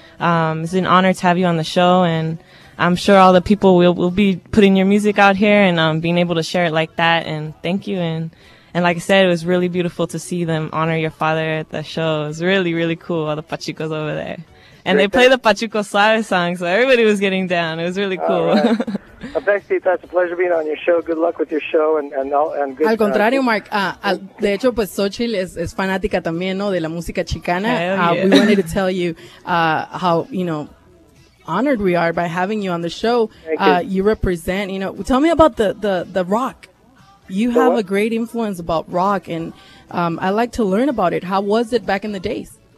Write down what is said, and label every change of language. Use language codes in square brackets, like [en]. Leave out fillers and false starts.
[en] It's an honor to have you on the show. And I'm sure all the people will be putting your music out here and being able to share it like that. And thank you. And like I said, it was really beautiful to see them honor your father at the show. It was really, really cool. All the Pachucos over there. And they play the Pachuco Suave song, so everybody was getting down. It was really cool. All right. Bestita, it's a pleasure being on your show. Good luck with your show and good. [es] Al contrario, Mark. De hecho, pues Xochitl es fanática también, ¿no? De la música chicana. [en] Yeah. We wanted to tell you how, you know, honored we are by having you on the show. Thank you. You represent, you know. Tell me about the rock. You have a great influence about rock, and I like to learn about it. How was it back in the days?